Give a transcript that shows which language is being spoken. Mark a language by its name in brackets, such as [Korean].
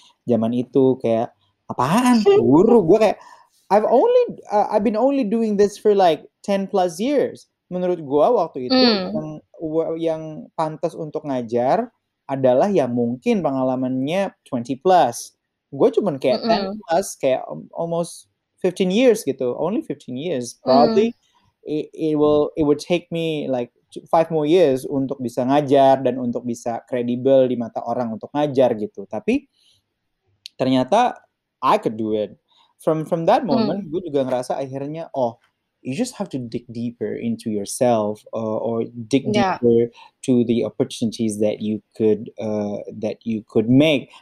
[Indonesian] zaman itu kayak apaan guru, gue kayak [English] I've been only doing this for like 10 plus years. [Indonesian] Menurut gue waktu itu yang pantas untuk ngajar adalah ya mungkin pengalamannya 20 plus. Gue cuman kayak 10 plus, kayak [English] almost 15 years [Indonesian] gitu. [English] Only 15 years. Probably it will take me like 5 more years [Indonesian] untuk bisa ngajar dan untuk bisa kredibel di mata orang untuk ngajar gitu. Tapi ternyata [English] I could do it. From that moment, [Indonesian] gue juga ngerasa akhirnya, [English] oh, you just have to dig deeper into yourself or dig deeper to the opportunities that you could make.